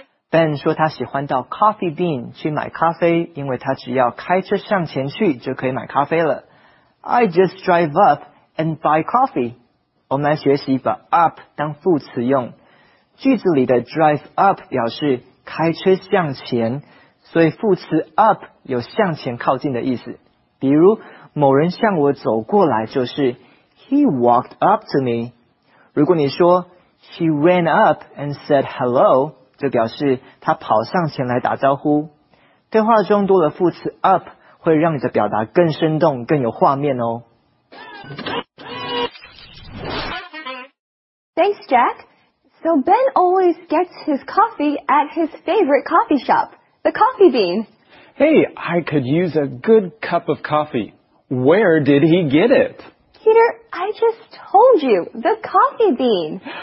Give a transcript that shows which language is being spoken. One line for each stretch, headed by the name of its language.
Chinese: Ben 说他喜欢到 coffee bean 去买咖啡，因为他只要开车向前去就可以买咖啡了。
English: I just drive up and buy coffee.
Chinese: 我们来学习把 up 当副词用。句子里的 drive up 表示开车向前，所以副词 up 有向前靠近的意思。比如某人向我走过来就是
English: He walked up to me.
Chinese: 如果你说
English: He ran up and said hello,
Chinese: 就表示他跑上前来打招呼。对话中多了副词 up 会让你的表达更生动，更有画面哦。
English: Thanks, Jack. So Ben always gets his coffee at his favorite coffee shop, the Coffee Bean. Hey, I could use a good cup of coffee. Where did he get it? Peter, I just told you, the coffee bean.